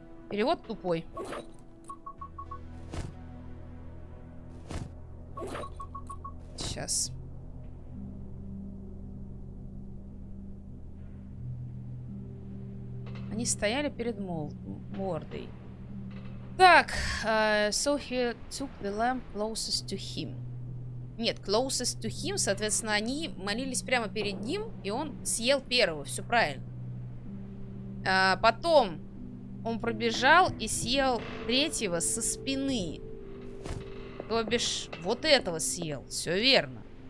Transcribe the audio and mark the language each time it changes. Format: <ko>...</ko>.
<ru>Перевод тупой. Сейчас. Они стояли перед мордой.</ru> <en>Так, so he took the lamp closest to him.</en> <ru>Нет,</ru> <en>closest to him,</en> <ru>соответственно, они молились прямо перед ним, и он съел первого, все правильно. Потом он пробежал и съел третьего со спины. То бишь, вот этого съел, все верно.</ru>